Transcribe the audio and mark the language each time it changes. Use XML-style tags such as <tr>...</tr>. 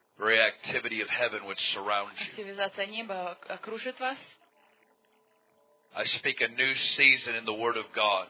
<en>reactivity of heaven would surround you.</en> <ru>Активизация неба окружит вас.</ru> <en>I speak a new season in the Word of God.</en>